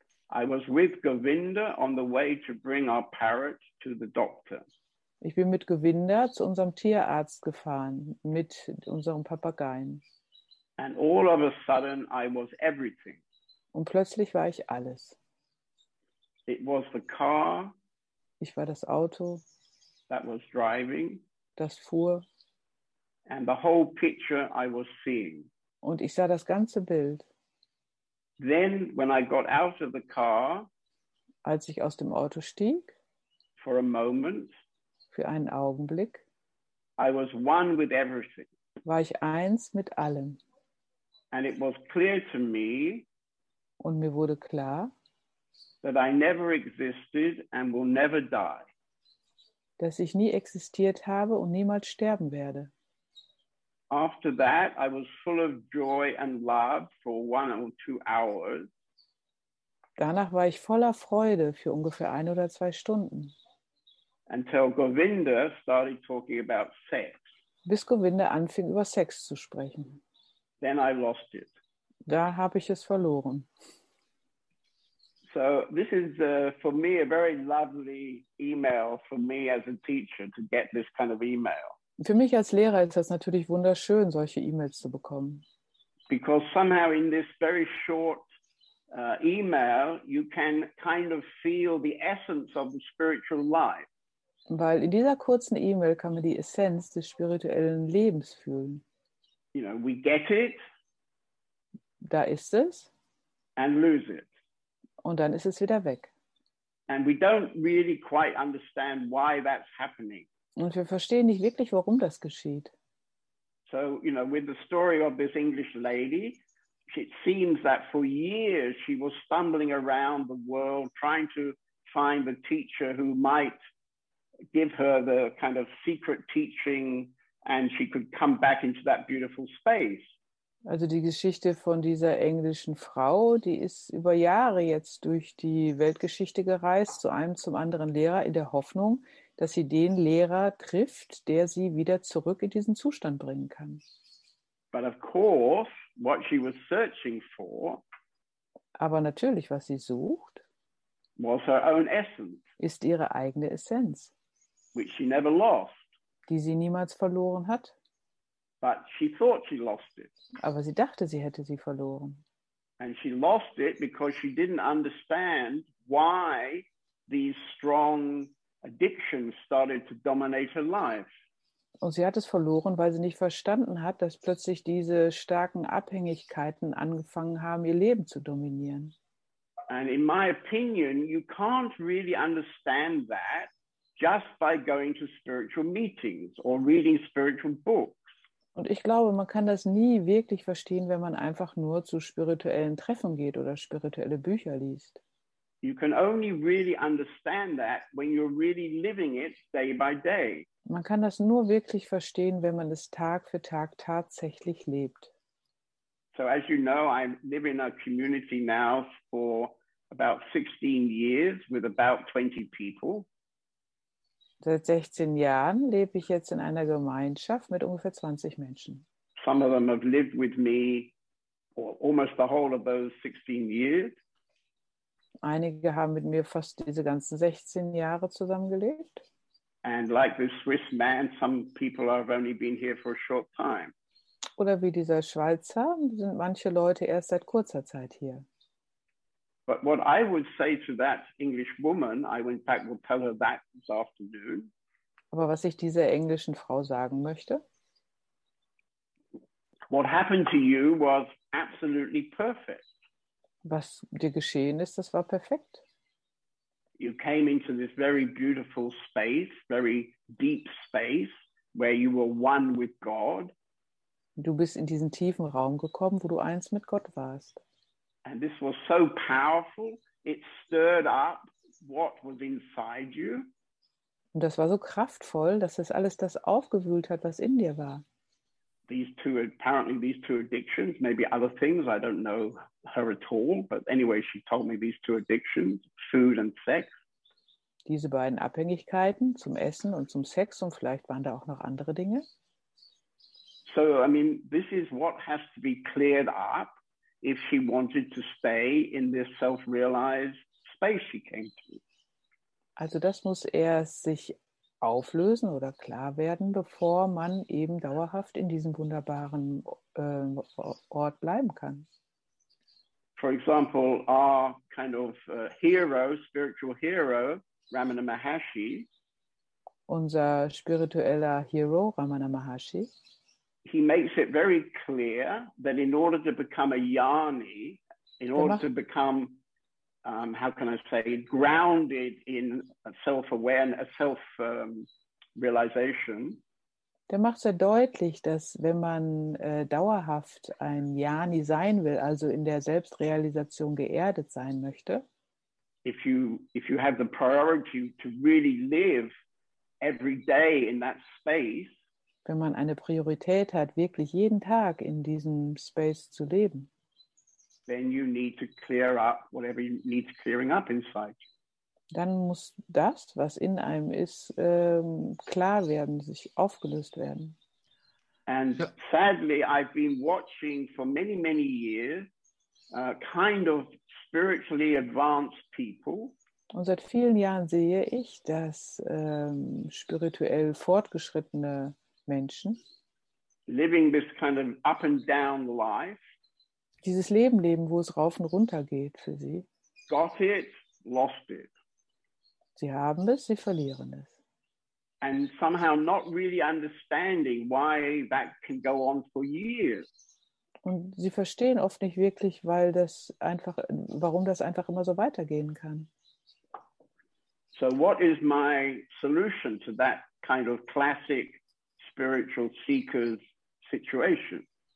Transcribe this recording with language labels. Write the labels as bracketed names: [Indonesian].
[English] I was with Govinda on the way to bring our parrot to the doctor. [German] Ich bin mit Gewinder zu unserem Tierarzt gefahren, mit unserem Papageien. [English] And all of a sudden I was everything. [German] Und plötzlich war ich alles. [English] It was the car. [German] Ich war das Auto. [English] That was driving. [German] Das fuhr. [English] And the whole picture I was seeing. [German] Und ich sah das ganze Bild. [English] Then when I got out of the car, [German] als ich aus dem Auto stieg, [English] for a moment, [German] für einen Augenblick, [English] I was one with everything. [German] War ich eins mit allem. [English] And it was clear to me, [German] und mir wurde klar, [English] that I never existed and will never die. [German] Dass ich nie existiert habe und niemals sterben werde. [English] After that, I was full of joy and love for 1 or 2 hours. [German] Danach war ich voller Freude für ungefähr 1 oder 2 Stunden. [English] Until Govinda started talking about sex. [German] Bis Govinda anfing, über Sex zu sprechen. [English] Then I lost it. [German] Da habe ich es verloren. [English] So this is for me a very lovely email for me as a teacher to get this kind of email. [German] Für mich als Lehrer ist das natürlich wunderschön, solche E-Mails zu bekommen. [English] Because somehow in this very short email you can kind of feel the essence of the spiritual life. [German] Weil in dieser kurzen E-Mail kann man die Essenz des spirituellen Lebens fühlen. [English] You know, we get it. [German] Da ist es. [English] And lose it. [German] Und dann ist es wieder weg. [English] And we don't really quite understand why that's happening. [German] Und wir verstehen nicht wirklich, warum das geschieht. [English] So, you know, with the story of this English lady, it seems that for years she was stumbling around the world trying to find the teacher who might give her the kind of secret teaching and she could come back into that beautiful space. [German] Also die Geschichte von dieser englischen Frau, die ist über Jahre jetzt durch die Weltgeschichte gereist, zu einem zum anderen Lehrer in der Hoffnung, dass sie den Lehrer trifft, der sie wieder zurück in diesen Zustand bringen kann. [English] But of course, what she was searching for, [German] aber natürlich, was sie sucht, [English] was her own essence, [German] ist ihre eigene Essenz, [English] which she never lost, [German] die sie niemals verloren hat. [English] But she thought she lost it. [German] Aber sie dachte, sie hätte sie verloren. [English] And she lost it because she didn't understand why these strong addiction started to dominate her life. [German] Und sie hat es verloren, weil sie nicht verstanden hat, dass plötzlich diese starken Abhängigkeiten angefangen haben, ihr Leben zu dominieren. [English] And in my opinion, you can't really understand that just by going to spiritual meetings or reading spiritual books. [German] Und ich glaube, man kann das nie wirklich verstehen, wenn man einfach nur zu spirituellen Treffen geht oder spirituelle Bücher liest. [English] You can only really understand that when you're really living it day by day. [German] Man kann das nur wirklich verstehen, wenn man es Tag für Tag tatsächlich lebt. [English] So as you know, I live in a community now for about 16 years with about 20 people. [German] Seit 16 Jahren lebe ich jetzt in einer Gemeinschaft mit ungefähr 20 Menschen. [English] Some of them have lived with me for almost the whole of those 16 years. [German] Einige haben mit mir fast diese ganzen 16 Jahre zusammengelebt. [English] And like this Swiss man, some people have only been here for a short time. [German] Oder wie dieser Schweizer, sind manche Leute erst seit kurzer Zeit hier. [English] But what I would say to that English woman, I in fact will tell her that this afternoon. [German] Aber was ich dieser englischen Frau sagen möchte? [English] What happened to you was absolutely perfect. [German] Was dir geschehen ist, das war perfekt. [English] You came into this very beautiful space, very deep space, where you were one with God. [German] Du bist in diesen tiefen Raum gekommen, wo du eins mit Gott warst. [English] And this was so powerful, it stirred up what was inside you. [German] Und das war so kraftvoll, dass es alles das aufgewühlt hat, was in dir war. [English] These two addictions, maybe other things, I don't know her at all, but anyway, she told me these two addictions, food and sex. [German] Diese beiden Abhängigkeiten zum Essen und zum Sex, und vielleicht waren da auch noch andere Dinge. [English] So, I mean, this is what has to be cleared up if she wanted to stay in this self-realized space she came to. [German] Also das muss erst sich auflösen oder klar werden, bevor man eben dauerhaft in diesem wunderbaren Ort bleiben kann. [English] For example, our kind of hero, spiritual hero, Ramana Maharshi. [German] Unser spiritueller Hero, Ramana Maharshi. [English] He makes it very clear that in order to become a Jnani, in order to become, how can I say, grounded in self-awareness, self-realization. [German] Der macht sehr deutlich, dass wenn man dauerhaft ein Jnani sein will, also in der Selbstrealisation geerdet sein möchte, [English] if you have the priority to really live every day in that space, [German] wenn man eine Priorität hat, wirklich jeden Tag in diesem Space zu leben, [English] then you need to clear up whatever you need to clearing up inside. [German] Dann muss das, was in einem ist, klar werden, sich aufgelöst werden. [English] And sadly, I've been watching for many, many years kind of spiritually advanced people. [German] Und seit vielen Jahren sehe ich, dass spirituell fortgeschrittene Menschen [English] living this kind of up and down life, [German] dieses Leben leben, wo es rauf und runter geht für sie. [English] Got it, lost it. [German] Sie haben es, sie verlieren es. [English] And somehow not really understanding why that can go on for years. [German] Und sie verstehen oft nicht wirklich, weil das einfach, warum das einfach immer so weitergehen kann. [English] So what is my solution to that kind of classic spiritual seeker's situation?